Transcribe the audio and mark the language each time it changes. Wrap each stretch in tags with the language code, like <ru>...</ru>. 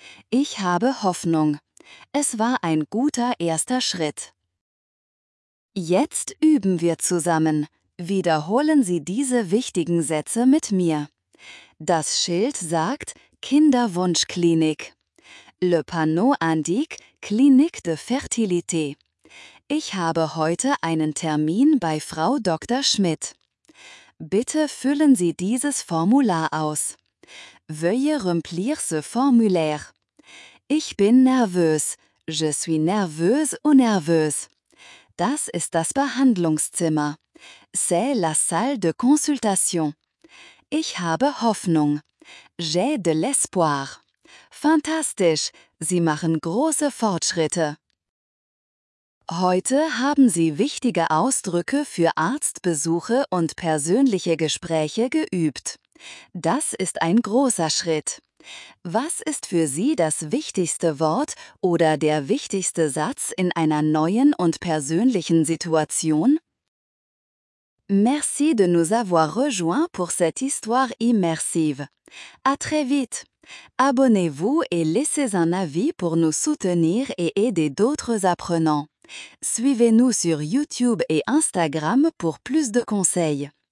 <de>Ich habe Hoffnung. Es war ein guter erster Schritt. Jetzt üben wir zusammen. Wiederholen Sie diese wichtigen Sätze mit mir. Das Schild sagt Kinderwunschklinik.</de> <fr>Le panneau indique Clinique de Fertilité.</fr> <de>Ich habe heute einen Termin bei Frau Dr. Schmidt. Bitte füllen Sie dieses Formular aus.</de> <fr>Veuillez remplir ce formulaire.</fr> <de>Ich bin nervös.</de> <fr>Je suis nerveuse ou nerveuse.</fr> <de>Das ist das Behandlungszimmer.</de> <fr>C'est la salle de consultation.</fr> <de>Ich habe Hoffnung.</de> <fr>J'ai de l'espoir.</fr> <de>Fantastisch! Sie machen große Fortschritte. Heute haben Sie wichtige Ausdrücke für Arztbesuche und persönliche Gespräche geübt. Das ist ein großer Schritt. Was ist für Sie das wichtigste Wort oder der wichtigste Satz in einer neuen und persönlichen Situation?</de> <fr>Merci de nous avoir rejoints pour cette histoire immersive. À très vite! Abonnez-vous et laissez un avis pour nous soutenir et aider d'autres apprenants. Suivez-nous sur YouTube et Instagram pour plus de conseils.</fr>